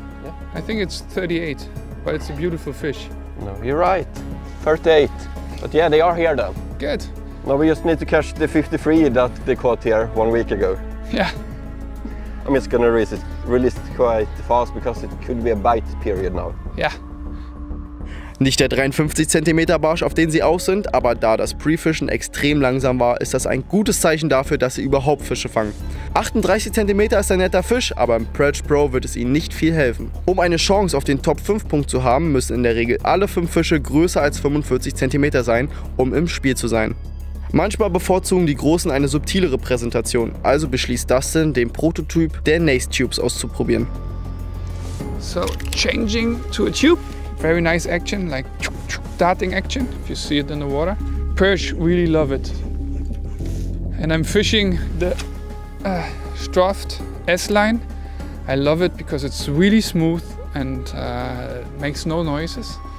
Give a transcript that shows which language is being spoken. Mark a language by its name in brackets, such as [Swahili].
[English] Yeah. I think it's 38, but it's a beautiful fish. No, you're right. 38. But yeah, they are here then. Good. Now we just need to catch the 53 that they caught here 1 week ago. Yeah. I mean, it's gonna release quite fast because it could be a bite period now. Yeah. [German] Nicht der 53 cm Barsch, auf den sie aus sind, aber da das Pre-Fischen extrem langsam war, ist das ein gutes Zeichen dafür, dass sie überhaupt Fische fangen. 38 cm ist ein netter Fisch, aber im Perch Pro wird es ihnen nicht viel helfen. Um eine Chance auf den Top 5 Punkt zu haben, müssen in der Regel alle 5 Fische größer als 45 cm sein, um im Spiel zu sein. Manchmal bevorzugen die Großen eine subtilere Präsentation, also beschließt Dustin, den Prototyp der Nace Tubes auszuprobieren. [English] So, changing to a tube. Very nice action, like darting action, if you see it in the water. Perch really love it. And I'm fishing the Stroft S-Line. I love it because it's really smooth and makes no noises.